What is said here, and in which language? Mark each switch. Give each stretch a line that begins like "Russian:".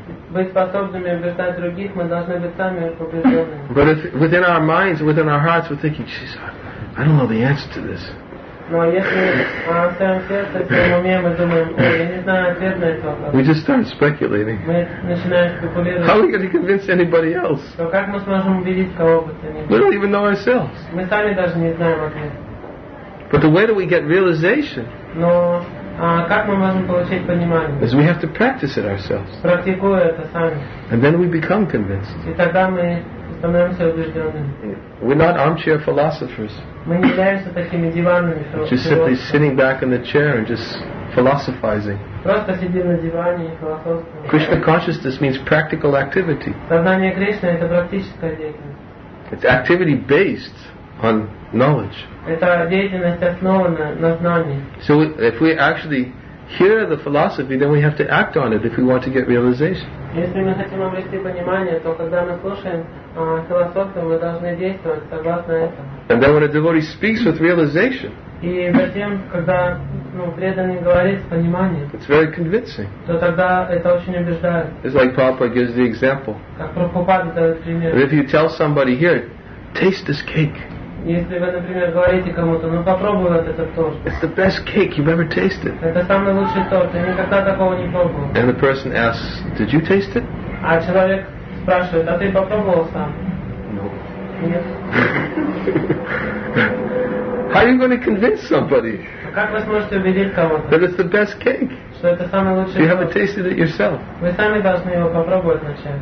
Russian: Быть способными убеждать других, мы должны быть сами убежденными.
English: But if within our minds, within our hearts, we're thinking, "Jeez, I don't know the answer to this."
Russian: Но если в своем сердце, в своем уме мы думаем, я не знаю ответ на это.
English: We just start speculating.
Russian: Мы начинаем спекулировать.
English: How are we going to convince anybody else?
Russian: Но как мы сможем убедить кого бы то ни было?
English: We don't even know ourselves.
Russian: Мы сами даже не знаем ответ.
English: But the way that we get realization.
Russian: Но как мы можем получить понимание?
English: Is we have to practice it ourselves.
Russian: Практикуя это сами.
English: And then we become convinced.
Russian: И тогда мы становимся убежденными.
English: We're not armchair philosophers.
Russian: Мы не являемся такими диванными философами.
English: Just simply sitting back in the chair and just philosophizing.
Russian: Просто сиди на диване и философствуй.
English: Krishna consciousness means practical activity.
Russian: Сознание Кришны — это практическая деятельность.
English: It's activity based on knowledge.
Russian: Это деятельность основана на знании.
English: So if we actually hear the philosophy, then we have to act on it if we want to get realization.
Russian: Если мы хотим обрести понимание, то когда мы слушаем философию, мы должны действовать согласно этому.
English: And then when a devotee speaks with realization,
Russian: и затем, когда преданный говорит с пониманием,
English: it's very convincing.
Russian: То тогда это очень убеждает.
English: It's like Prabhupada gives the example.
Russian: Как Прабхупада дает пример.
English: But if you tell somebody here, taste this cake.
Russian: Если вы, например, говорите кому-то, попробуй вот этот торт.
English: It's the best cake you've ever tasted.
Russian: Это самый лучший торт, я никогда такого не пробовал.
English: And the person asks, did you taste it?
Russian: А человек спрашивает, а ты попробовал сам? Нет.
English: How are you going to convince somebody?
Russian: Как вы сможете убедить кого-то?
English: That it's the best cake.
Russian: Что это самый лучший торт.
English: You haven't tasted it yourself.
Russian: Вы сами должны его попробовать вначале.